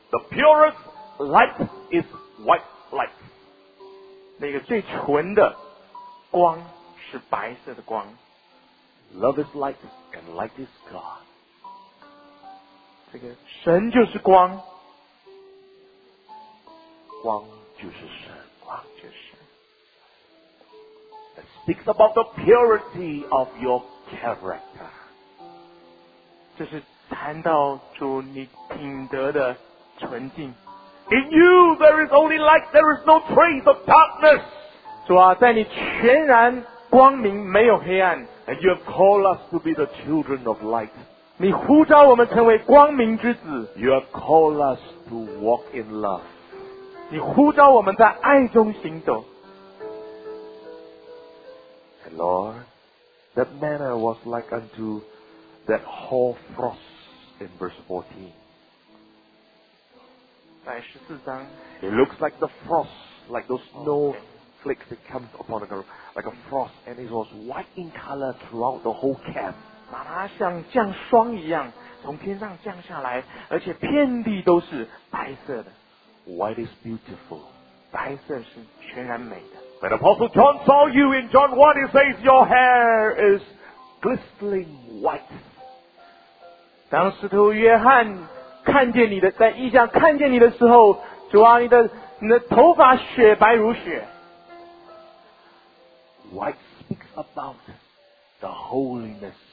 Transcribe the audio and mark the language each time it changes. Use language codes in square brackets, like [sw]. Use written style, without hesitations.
[en] The purest light is white light. [zh] 那个最纯的光是白色的光。 [en] Love is light, and light is God. [zh] 这个神就是光，光就是神，光就是。 [en] Speaks about the purity of your character. [zh] 这是谈到主你品德的纯净。 [en] In you there is only light, there is no trace of darkness. [zh] 主啊，在你全然光明，没有黑暗。 [en] And you have called us to be the children of light, [zh] 你呼召我们成为光明之子。 [en] You call us to walk in love. [zh] 你呼召我们在爱中行走。 [en] And Lord, that manner was like unto that hoar frost in verse 14. [zh] 在十四章。 [en] It looks like the frost, like those snowflakes that comes upon the ground, like a frost, and it was white in color throughout the whole camp. [zh] 把它像降霜一样从天上降下来，而且遍地都是白色的。 [en] White is beautiful. [zh] 白色是全然美的。 [en] When Apostle John saw you in John 1, he says your hair is glistening white. [zh] 当使徒约翰看见你的，在异象看见你的时候，主啊，你的头发雪白如雪。 [en] White speaks about the holiness.